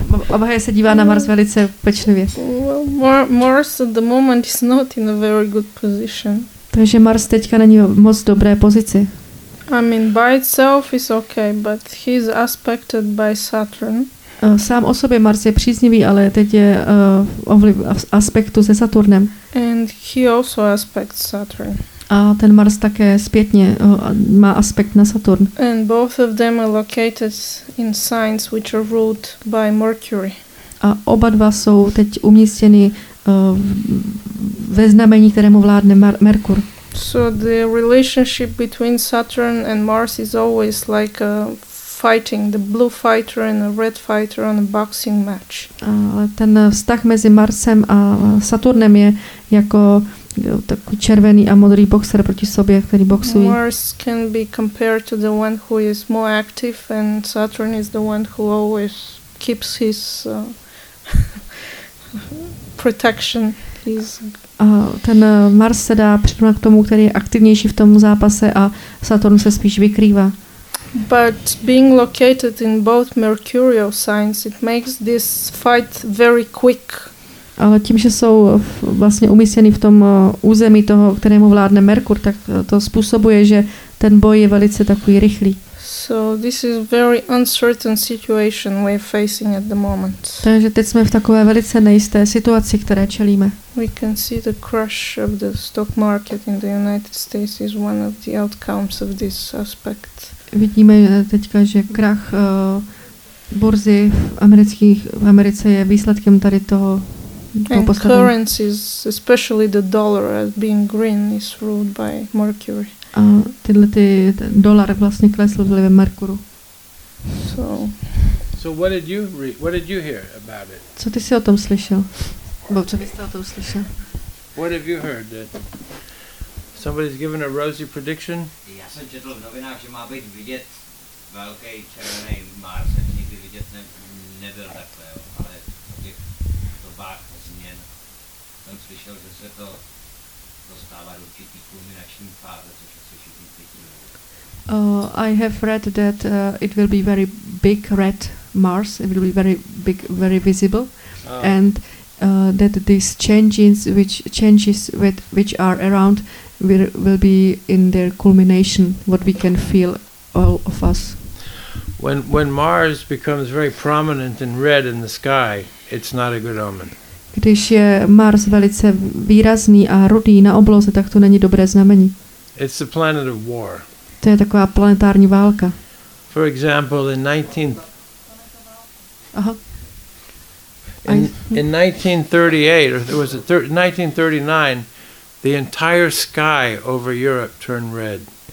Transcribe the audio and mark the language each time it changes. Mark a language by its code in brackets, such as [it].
[cs] Abhay se dívá na Mars velice pečlivě. [en] Well, Mars at the moment is not in a very good position. [cs] Takže Mars teďka není v moc dobré pozici. [en] I mean, by itself is okay, but he's aspected by Saturn. [cs] Sám o sobě Mars je příznivý, ale teď je v aspektu se Saturnem. [en] And he also aspects Saturn. [cs] A ten Mars také zpětně má aspekt na Saturn. [en] And both of them are located in signs which are ruled by Mercury. [cs] A oba dva jsou teď umístěny ve znamení, kterému vládne Merkur. [en] So the relationship between Saturn and Mars is always like a fighting, the blue fighter and the red fighter on a boxing match. [cs] Ale ten vztah mezi Marsem a Saturnem je jako takový červený a modrý boxer proti sobě, který boxuje. [en] Mars can be compared to the one who is more active and Saturn is the one who always keeps his protection. [cs] Ten Mars se dá přirovnat k tomu, který je aktivnější v tom zápase a Saturn se spíš vykrývá. [en] But being located in both mercurial signs, it makes this fight very quick. [cs] Ale tím, že jsou vlastně umístěny v tom území toho, kterému vládne Merkur, tak to způsobuje, že ten boj je velice takový rychlý. [en] So this is very uncertain situation we're facing at the moment. [cs] Takže teď jsme v takové velice nejisté situaci, které čelíme. [en] We can see the crash of the stock market in the United States is one of the outcomes of this aspect. [cs] Vidíme teďka, že krach burzy v Americe je výsledkem tady toho. [en] And currencies, especially the dollar as being green, is ruled by Mercury. [cs] a tyhle ty dolar vlastně klesl vlivem Merkuru. [en] So what did you what did you hear about it? [cs] Co ty si o tom slyšel? Bob, co byste o tom slyšel? [en] What have you heard that somebody's given a rosy prediction? [cs] Já jsem četl v novinách, že má být vidět velký červený Mars, že nikdy vidět nebyl takhle, ale o těch dobách změn jsem slyšel, že se to dostává do určitý kulminační fáze, což asi všichni cítíme. [en] I have read that it will be very big red Mars, it will be very big, very visible, and that these changes which are around will be in their culmination, what we can feel, all of us. When Mars becomes very prominent and red in the sky, it's not a good omen. [cs] Když je Mars velice výrazný a rudý na obloze, tak to není dobré znamení. [en] It's the planet of war. [cs] To je taková planetární válka. [en] For example, in 1939, the entire sky over Europe turned red.